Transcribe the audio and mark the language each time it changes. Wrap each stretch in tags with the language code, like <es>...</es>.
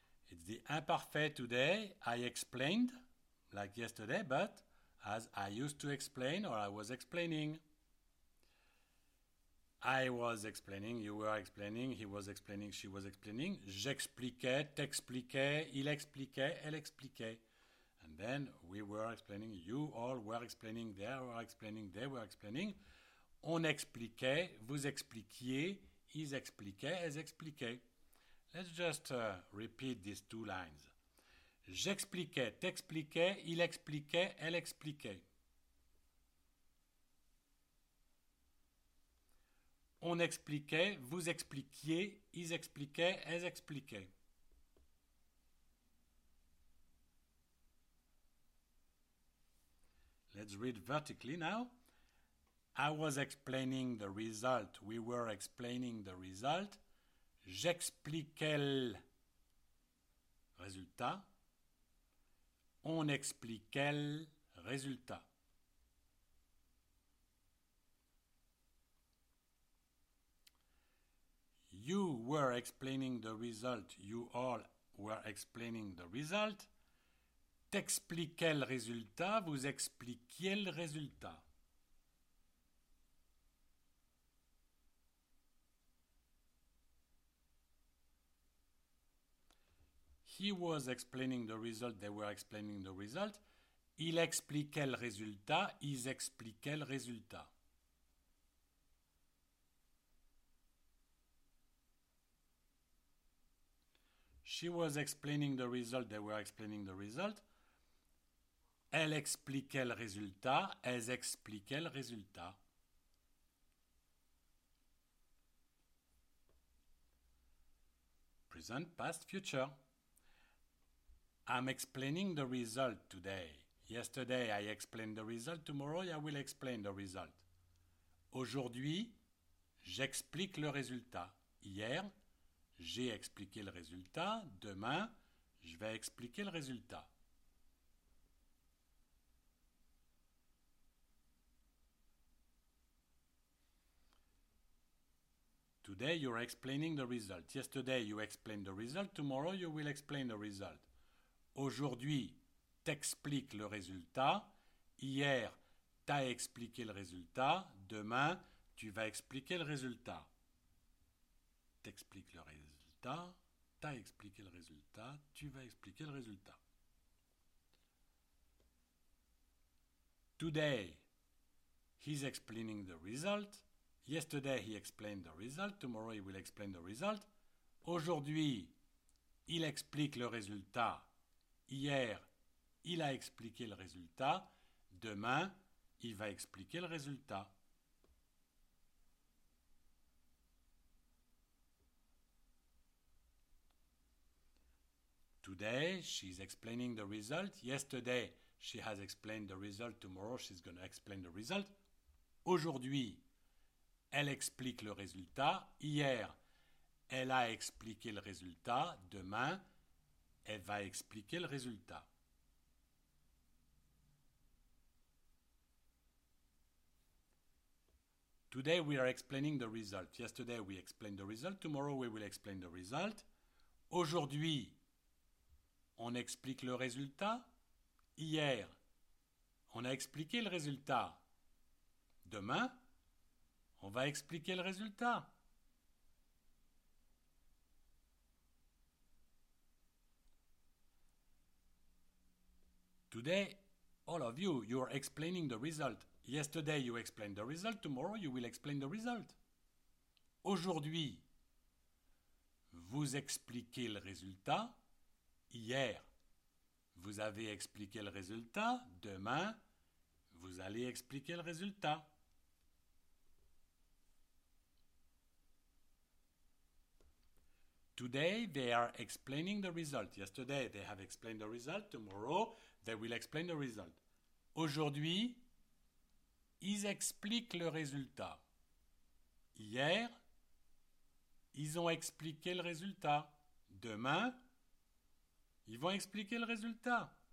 <en>It's the imperfect today. I explained, like yesterday, but as I used to explain or I was explaining. I was explaining, you were explaining, he was explaining, she was explaining.</en> <fr>J'expliquais, t'expliquais, il expliquait, elle expliquait.</fr> <en>And then we were explaining, you all were explaining, they were explaining, they were explaining.</en> <fr>On expliquait, vous expliquiez, ils expliquaient, elles expliquaient.</fr> <en>Let's just repeat these two lines.</en> <fr>J'expliquais, t'expliquais, il expliquait, elle expliquait. On expliquait, vous expliquiez, ils expliquaient, elles expliquaient.</fr> <en>Let's read vertically now. I was explaining the result. We were explaining the result.</en> <fr>J'expliquais le résultat. On expliquait le résultat.</fr> <en>You were explaining the result. You all were explaining the result.</en> <fr>T'expliquais le résultat. Vous expliquiez le résultat.</fr> <en>He was explaining the result, they were explaining the result.</en> <fr>Il expliquait le résultat, ils expliquaient le résultat.</fr> <en>She was explaining the result, they were explaining the result.</en> <fr>Elle expliquait le résultat, elles expliquaient le résultat.</fr> <en>Present, past, future. I'm explaining the result today. Yesterday, I explained the result. Tomorrow, I will explain the result.</en> <fr>Aujourd'hui, j'explique le résultat. Hier, j'ai expliqué le résultat. Demain, je vais expliquer le résultat.</fr> <en>Today, you're explaining the result. Yesterday, you explained the result. Tomorrow, you will explain the result.</en> <fr>Aujourd'hui, t'expliques le résultat. Hier, t'as expliqué le résultat. Demain, tu vas expliquer le résultat. T'expliques le résultat. T'as expliqué le résultat. Tu vas expliquer le résultat.</fr> <en>Today, he's explaining the result. Yesterday, he explained the result. Tomorrow, he will explain the result.</en> <fr>Aujourd'hui, il explique le résultat. Hier, il a expliqué le résultat. Demain, il va expliquer le résultat.</fr> <en>Today, she's explaining the result. Yesterday, she has explained the result. Tomorrow, she's going to explain the result.</en> <fr>Aujourd'hui, elle explique le résultat. Hier, elle a expliqué le résultat. Demain, elle va expliquer le résultat.</fr> <en>Today we are explaining the result. Yesterday we explained the result. Tomorrow we will explain the result.</en> <fr>Aujourd'hui, on explique le résultat. Hier, on a expliqué le résultat. Demain, on va expliquer le résultat.</fr> <en>Today, all of you, you are explaining the result. Yesterday, you explained the result. Tomorrow, you will explain the result.</en> <fr>Aujourd'hui, vous expliquez le résultat. Hier, vous avez expliqué le résultat. Demain, vous allez expliquer le résultat.</fr> <en>Today, they are explaining the result. Yesterday, they have explained the result. Tomorrow, they will explain the result.</en> <fr>Aujourd'hui, ils expliquent le résultat. Hier, ils ont expliqué le résultat. Demain, ils vont expliquer le résultat.</fr>